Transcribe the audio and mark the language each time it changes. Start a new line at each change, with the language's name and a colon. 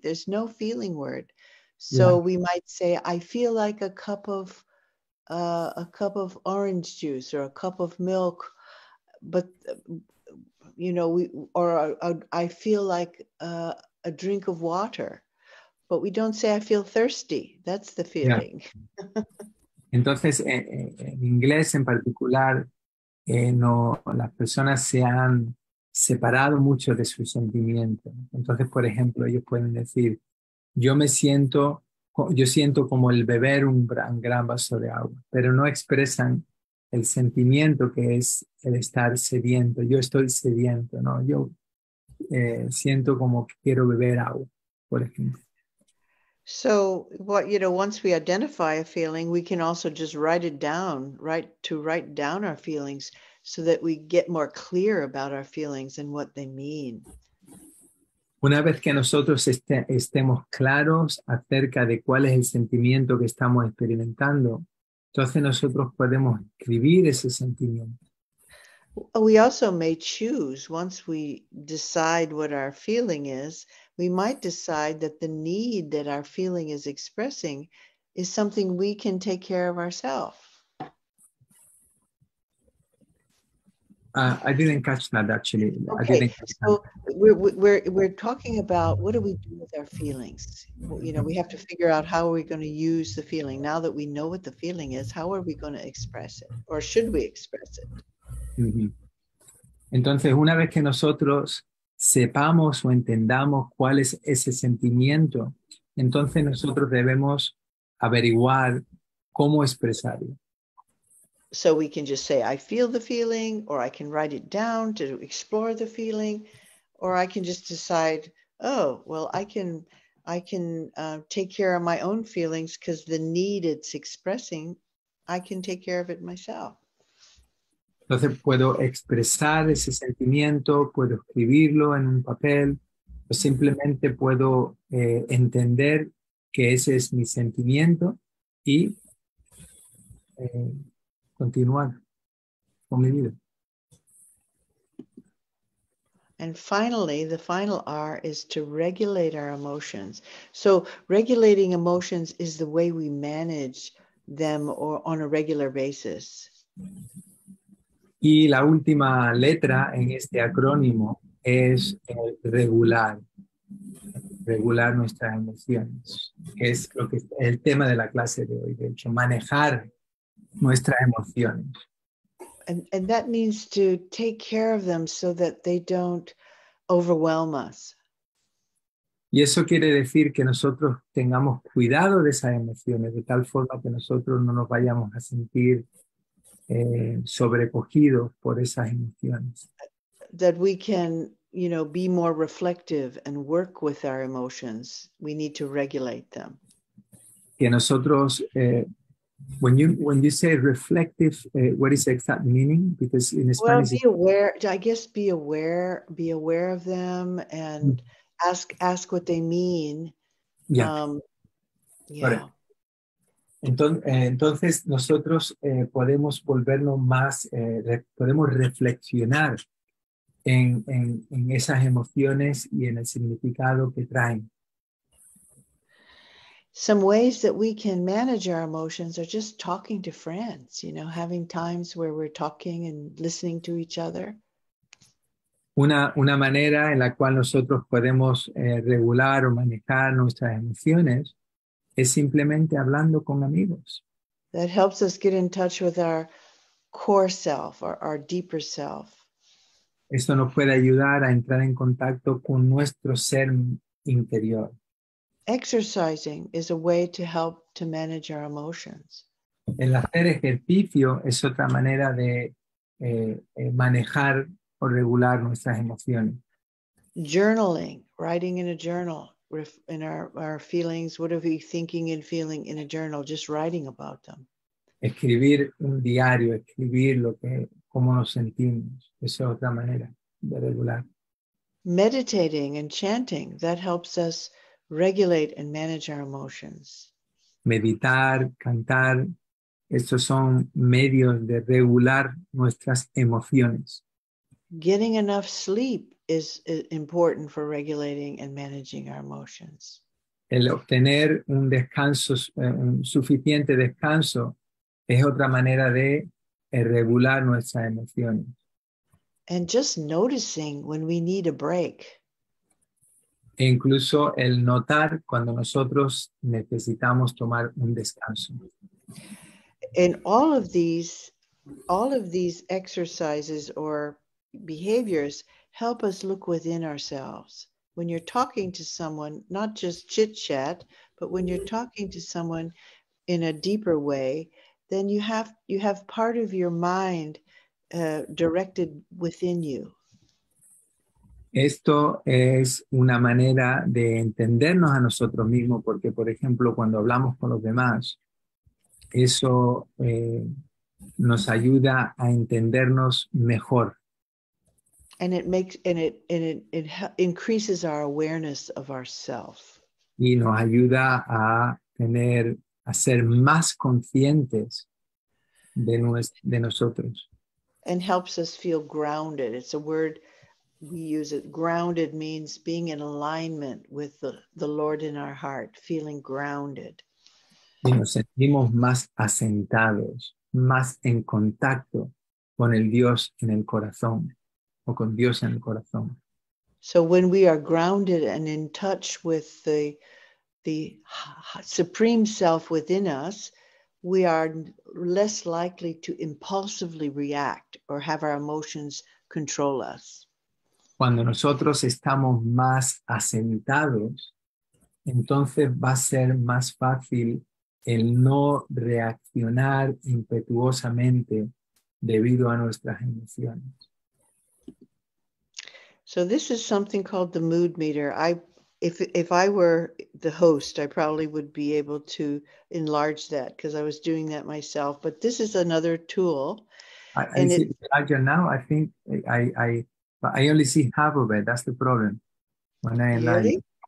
English: There's no feeling word. So yeah. We might say, I feel like a cup of orange juice or a cup of milk. But, you know, I feel like a drink of water, but we don't say I feel thirsty. That's the feeling. Yeah.
Spanish: Entonces, en inglés en particular, no, las personas se han separado mucho de sus sentimientos. Entonces, por ejemplo, ellos pueden decir, yo siento como el beber un gran vaso de agua, pero no expresan el sentimiento que es el estar sediento. Yo estoy sediento, ¿no? Yo siento como que quiero beber agua, por ejemplo.
English: So, what, you know, once we identify a feeling, we can also just write it down, write down our feelings so that we get more clear about our feelings and what they mean.
Spanish: Una vez que nosotros estemos claros acerca de cuál es el sentimiento que estamos experimentando, entonces nosotros podemos escribir ese sentimiento.
English: We also may choose, once we decide what our feeling is, we might decide that the need that our feeling is expressing is something we can take care of ourselves. I didn't catch that, actually. Okay, I didn't catch so that. We're talking about what do we do with our feelings? You know, we have to figure out how are we going to use the feeling. Now that we know what the feeling is, how are we going to express it? Or should we express it?
Spanish: Entonces, una vez que nosotros sepamos o entendamos cuál es ese sentimiento, entonces nosotros debemos averiguar cómo expresarlo.
English: So we can just say, I feel the feeling, or I can write it down to explore the feeling, or I can just decide, oh, well, I can take care of my own feelings because the need it's expressing, I can take care of it myself.
Spanish: Entonces puedo expresar ese sentimiento, puedo escribirlo en un papel, o simplemente puedo entender que ese es mi sentimiento y continuar con mi vida.
English: And finally, the final R is to regulate our emotions. So regulating emotions is the way we manage them or on a regular basis.
Spanish: Y la última letra en este acrónimo es regular nuestras emociones, que es lo que es el tema de la clase de hoy, de hecho, manejar nuestras emociones.
English: And that means to take care of them so that they don't overwhelm us.
Spanish: Y eso quiere decir que nosotros tengamos cuidado de esas emociones, de tal forma que nosotros no nos vayamos a sentir sobrecogidos por esas emociones.
English: That we can, you know, be more reflective and work with our emotions. We need to regulate them.
Spanish: Que nosotros...
English: When you say reflective, what is the exact meaning? Because in Spanish, well, be aware. I guess be aware of them and ask what they mean. Yeah.
Spanish: Entonces nosotros podemos volvernos más podemos reflexionar en esas emociones y en el significado que traen.
English: Some ways that we can manage our emotions are just talking to friends, you know, having times where we're talking and listening to each other.
Spanish: Una manera en la cual nosotros podemos regular o manejar nuestras emociones es simplemente hablando con amigos.
English: That helps us get in touch with our core self or our deeper self.
Spanish: Esto nos puede ayudar a entrar en contacto con nuestro ser interior.
English: Exercising is a way to help to manage our emotions.
Spanish: El hacer ejercicio es otra manera de manejar o regular nuestras emociones.
English: Journaling, writing in a journal, in our feelings, what are we thinking and feeling in a journal, just writing about them.
Spanish: Escribir un diario, escribir lo que, cómo nos sentimos, esa es otra manera de regular.
English: Meditating and chanting, that helps us regulate and manage our emotions.
Spanish: Meditar, cantar, estos son medios de regular nuestras emociones.
English: Getting enough sleep is important for regulating and managing our emotions.
Spanish: El obtener un descanso, un suficiente descanso, es otra manera de regular nuestras emociones.
English: And just noticing when we need a break.
Spanish: E incluso el notar cuando nosotros necesitamos tomar un descanso.
English: And all of these exercises or behaviors help us look within ourselves. When you're talking to someone, not just chit-chat, but when you're talking to someone in a deeper way, then you have part of your mind directed within you.
Spanish: Esto es una manera de entendernos a nosotros mismos, porque, por ejemplo, cuando hablamos con los demás, eso nos ayuda a entendernos mejor.
English: And it makes and it increases our awareness of ourselves.
Spanish: Y nos ayuda a ser más conscientes de nosotros.
English: And helps us feel grounded. It's a word we use. It grounded means being in alignment with the Lord in our heart, feeling grounded.
Spanish: Y nos sentimos más asentados, más en contacto con el Dios en el corazón, o con Dios en el corazón.
English: So when we are grounded and in touch with the supreme self within us, we are less likely to impulsively react or have our emotions control us.
Spanish: Cuando nosotros estamos más asentados, entonces va a ser más fácil el no reaccionar impetuosamente debido a nuestras emociones.
English: So this is something called the mood meter. If I were the host, I probably would be able to enlarge that because I was doing that myself. But this is another tool. I only see half of it. That's the problem. When I enlarge,